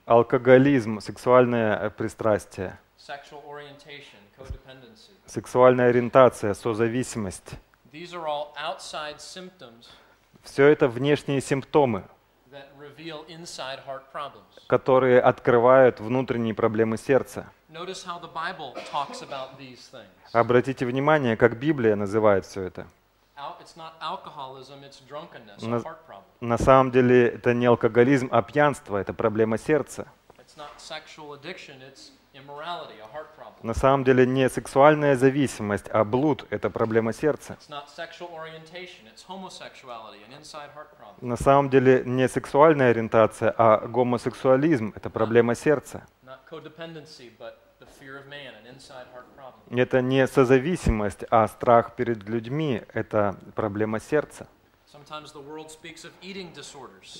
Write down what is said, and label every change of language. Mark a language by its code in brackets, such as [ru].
[ru] Алкоголизм, сексуальное пристрастие. [en] Sexual orientation, codependency. [ru] Сексуальная ориентация, созависимость. [en] These are all outside symptoms. [ru] Все это внешние симптомы, [en] that reveal inside heart problems. [ru] Которые открывают внутренние проблемы сердца. [en] Notice how the Bible talks about these things. [ru] Обратите внимание, как Библия называет все это. [en] It's not alcoholism, it's drunkenness, heart problem. [ru] На самом деле это не алкоголизм, а пьянство, это проблема сердца. [en] It's not sexual addiction, it's immorality, a heart problem. [ru] На самом деле не сексуальная зависимость, а блуд — это проблема сердца. [en] It's not sexual orientation, it's homosexuality, an inside heart problem. [ru] На самом деле не сексуальная ориентация, а гомосексуализм — это проблема сердца. [en] Not codependency, but the fear of man, an inside heart problem. [ru] Это не созависимость, а страх перед людьми — это проблема сердца. [en] Sometimes the world speaks of eating disorders.